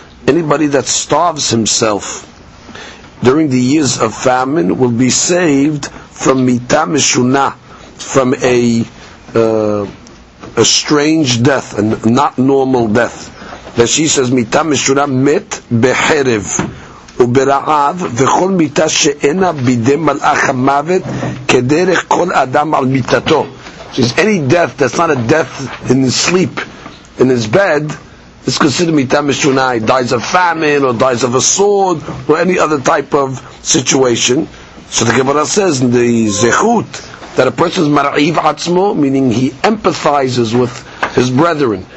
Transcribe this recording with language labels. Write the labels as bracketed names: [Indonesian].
[English] Anybody that starves himself during the years of famine will be saved from mita mishuna, from a strange death, a not normal death. That she says, mita mishuna mit beherev. [Hebrew] וברעב וכל מיטה שאינה בידי מלאך המוות כדרך כל אדם על מיטתו. [English] Is any death that's not a death in his sleep, in his bed, is considered מיטה משונה. He dies of famine or dies of a sword or any other type of situation. So the Gemara says in the Zechut that a person is מרעיב עצמו, meaning he empathizes with his brethren.